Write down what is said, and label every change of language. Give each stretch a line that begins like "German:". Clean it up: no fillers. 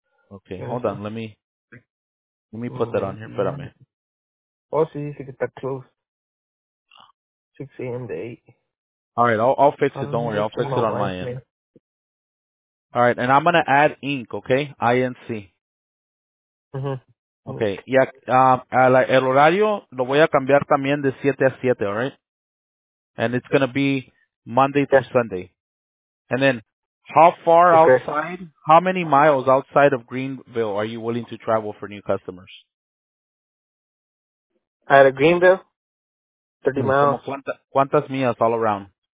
English: Okay, hold on. Let me put that on here.
Spanish: Espérame. Oh, sí, dice que está
English: close. 6 a.m. to 8. All right, I'll fix it. Don't worry, I'll fix it on my end. All right, and I'm going to add Inc., okay? INC. Mm-hmm. Okay.
Spanish: Yeah, el horario lo voy a cambiar también de 7 a 7,
English: all right? And it's going to be Monday through Sunday. And then how far outside, how many miles outside of Greenville are you willing to travel for new customers? Out of Greenville? 30 miles.
Spanish: ¿Cuántas millas
English: all around?